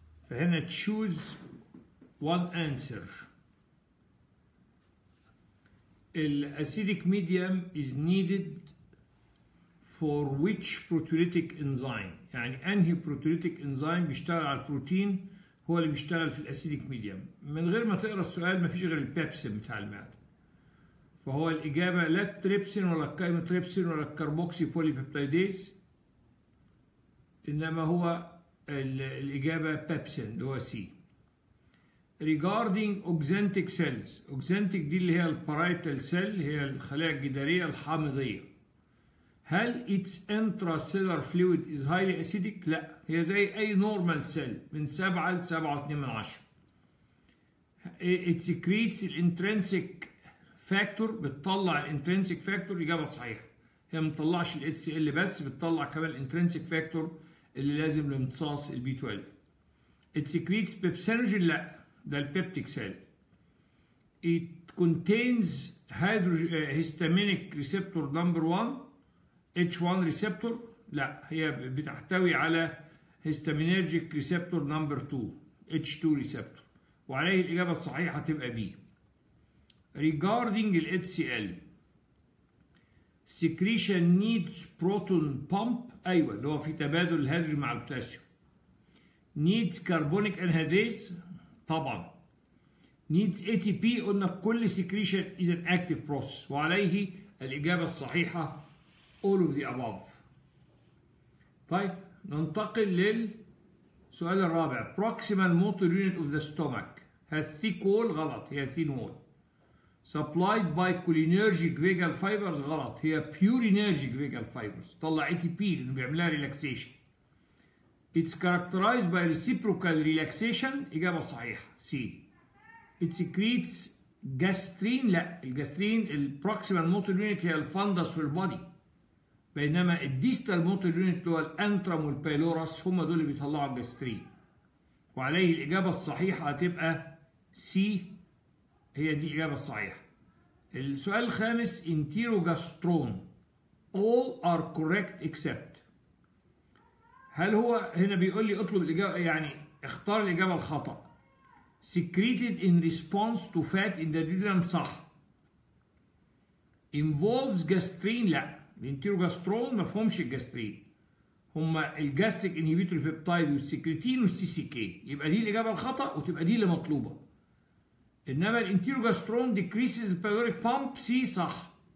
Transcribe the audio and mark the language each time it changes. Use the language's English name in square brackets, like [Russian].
[Arabic] فهنا [English] choose one answer. The acidic medium is needed for which proteolytic enzyme، [Arabic] يعني انهي proteolytic enzyme بيشتغل على البروتين هو اللي بيشتغل في الاسيديك ميديم. من غير ما تقرا السؤال مفيش غير البيبسين بتاع المعده، فهو الاجابه لا التريبسين ولا الكايموتريبسين ولا الكربوكسي بوليبيبتيديز، انما هو الاجابه بيبسين اللي هو سي. Regarding oxyntic cells، oxyntic دي اللي هي البارايتال سيل، هي الخلايا الجداريه الحامضيه. هل [English] its intracellular fluid is highly acidic؟ [Arabic] لا، هي زي أي normal cell من 7 ل 7.2. [English] It secretes the intrinsic factor، [Arabic] بتطلع ال [English] intrinsic factor. [Arabic] إجابة صحيحة، هي ما بتطلعش ال HCl بس، بتطلع كمان ال intrinsic factor اللي لازم لامتصاص ال B12. [English] It secretes pepsinogen؟ [Arabic] لا، ده ال [English] peptic cell. It contains histaminic receptor number 1 H1 [Arabic] ريسبتور؟ لا، هي بتحتوي على هيستامينرجيك ريسبتور نمبر 2 H2 ريسبتور، وعليه الإجابة الصحيحة تبقى B. [English] Regarding the HCl secretion needs proton pump، [Arabic] أيوة اللي هو في تبادل الهيدروجين مع البوتاسيوم. [English] Needs carbonic anhydrase؟ طبعا. Needs ATP؟ [Arabic] قلنا كل [English] secretion is an active process، [Arabic] وعليه الإجابة الصحيحة [English] all of the above. [Arabic] طيب ننتقل للسؤال الرابع. [English] Proximal motor unit of the stomach has thick wall؟ [Arabic] غلط، هي [English] thin wall. Supplied by cholinergic vagal fibers؟ [Arabic] غلط، هي [English] purinergic vagal fibers، طلع ATP [Arabic] لأنه بيعملها [English] relaxation. It's characterized by reciprocal relaxation؟ [Arabic] إجابة صحيحة [English] C. It secretes gastrin؟ [Arabic] لا، الجاسترين ال proximal motor unit هي الفندس والبودي، بينما الديستال موتور يونت هو الانترم والبايلوراس، هما دول اللي بيطلعوا الجاسترين، وعليه الاجابه الصحيحه هتبقى سي، هي دي الاجابه الصحيحه. السؤال الخامس. انتيرو جاسترون [English] all are correct except، [Arabic] هل هو هنا بيقول لي اطلب الاجابه، يعني اختار الاجابه الخطا. [English] secreted in response to fat in the duodenum؟ صح. involves gastrin؟ [Arabic] لا، الانتيرو جاسترون ما فهمش الجاسترين، هما الجاستريك انهيبيتوري بيبتايد والسكريتين والسي سي كي، يبقى دي الاجابه الخطا وتبقى دي اللي مطلوبه. انما الانتيرو جاسترون ديكريسز البايلوريك بامب، سي صح.